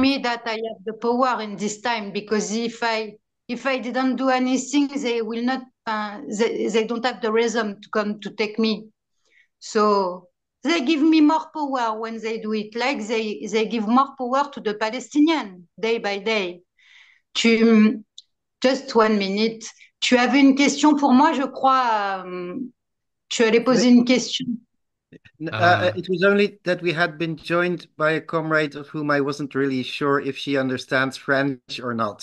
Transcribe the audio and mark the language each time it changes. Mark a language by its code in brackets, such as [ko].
[en] me that I have the power in this time, because if I didn't do anything, they will not they don't have the reason to come to take me. So they give me more power when they do it. Like they give more power to the Palestinian day by day. Just 1 minute. [fr] Tu avais une question pour moi, je crois. Tu allais poser une question. [en] It was only that we had been joined by a comrade of whom I wasn't really sure if she understands French or not.